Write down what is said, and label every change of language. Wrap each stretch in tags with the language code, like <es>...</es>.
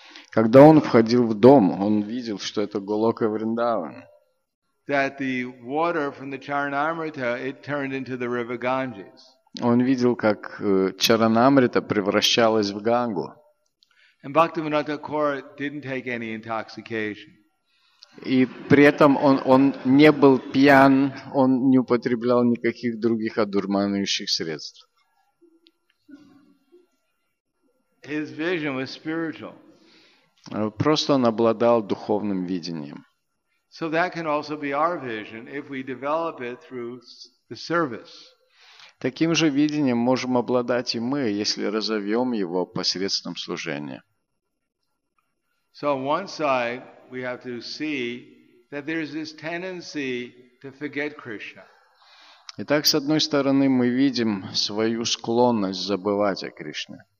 <ru>Когда он входил в дом, он видел, что это Голока Вриндаван.</ru> <en>That the water from the Charanamrita it turned into the river Ganges.</en> <ru>Он видел, как Чаранамрита превращалась в Гангу.</ru> <en>And Bhaktivinoda Thakur didn't take any intoxication.</en> <ru>И при этом он не был пьян, он не употреблял никаких других одурманивающих средств.</ru> <en>His vision was spiritual.</en> <ru>Просто он обладал духовным видением.</ru> <en>So that can also be our vision if we develop it through the service.</en> <ru>Таким же видением можем обладать и мы, если разовьем его посредством служения.</ru> <en>So on one side we have to see that there is this tendency to forget Krishna.</en> <ru>Итак, с одной стороны мы видим свою склонность забывать о Кришне.</ru>